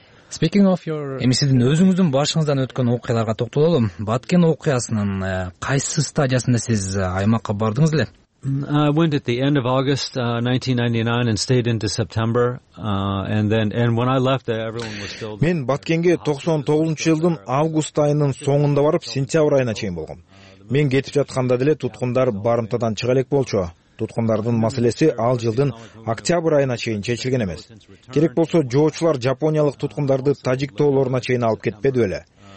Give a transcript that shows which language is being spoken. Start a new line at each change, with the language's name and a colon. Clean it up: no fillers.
English: Speaking of your
Kyrgyz: эми сиздин өзүңүздүн башыңыздан өткөн окуяларга токтололу. Баткен окуясынын кайсы стадиясында сиз аймакка бардыңыз эле?
English: I went at the end of August 1999 and stayed into September and when I left there everyone was still
Kyrgyz: Мен Баткенге 99-жылдын август айынын соңунда барып сентябрь айына чейин болгом. Мен кетип жатканда деле туткундар барымтадан чыга элек болчу. Туткундардын маселеси ал жылдын октябрь айына чейин чечилген эмес. Керек болсо жоочулар жапониялык туткундарды тажик тоолоруна чейин алып кетпеди беле?